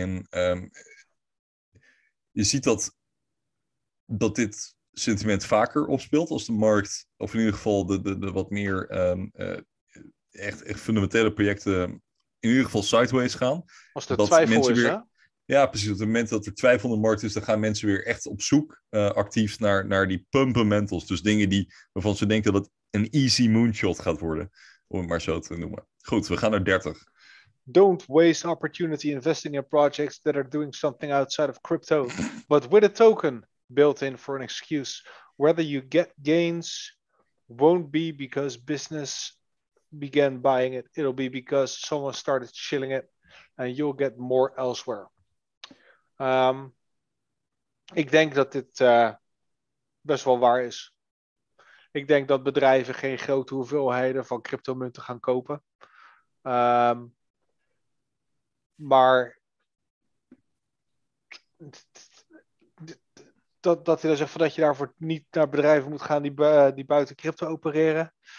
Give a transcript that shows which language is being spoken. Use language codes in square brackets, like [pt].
[nl] En je ziet dat dit sentiment vaker opspeelt als de markt, of in ieder geval de wat meer echt fundamentele projecten, in ieder geval sideways gaan. Als er twijfel is, weer, hè? Ja, precies. Op het moment dat er twijfel in de markt is, dan gaan mensen weer echt op zoek actief naar die pumpamentals. Dus dingen waarvan ze denken dat het een [en] easy moonshot [nl] gaat worden, om het maar zo te noemen. Goed, we gaan naar 30. [en] Don't waste opportunity investing in projects that are doing something outside of crypto, but with a token built in for an excuse. Whether you get gains won't be because business began buying it. It'll be because someone started shilling it and you'll get more elsewhere. [nl] Ik denk dat dit best wel waar is. Ik denk dat bedrijven geen grote hoeveelheden van cryptomunten gaan kopen. Maar dat hij dan zegt van dat je daarvoor niet naar bedrijven moet gaan die buiten crypto opereren.